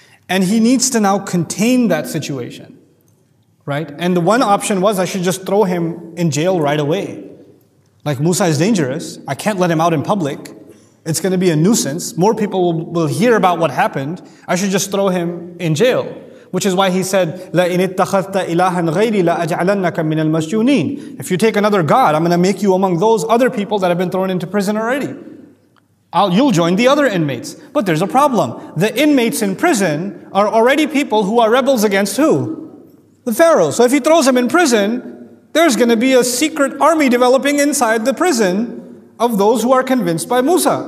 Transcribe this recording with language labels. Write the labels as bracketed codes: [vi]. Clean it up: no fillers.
[en] And he needs to now contain that situation. Right? And the one option was, I should just throw him in jail right away. Like, Musa is dangerous. I can't let him out in public. It's going to be a nuisance. More people will hear about what happened. I should just throw him in jail. Which is why he said, [ar] لَإِنِ اتَّخَذْتَ إِلَٰهًا غَيْرِ لَأَجْعَلَنَّكَ مِنَ الْمَسْجُونِينَ. [en] If you take another god, I'm going to make you among those other people that have been thrown into prison already. You'll join the other inmates. But there's a problem. The inmates in prison are already people who are rebels against who? The Pharaoh. So if he throws them in prison, there's going to be a secret army developing inside the prison of those who are convinced by Musa.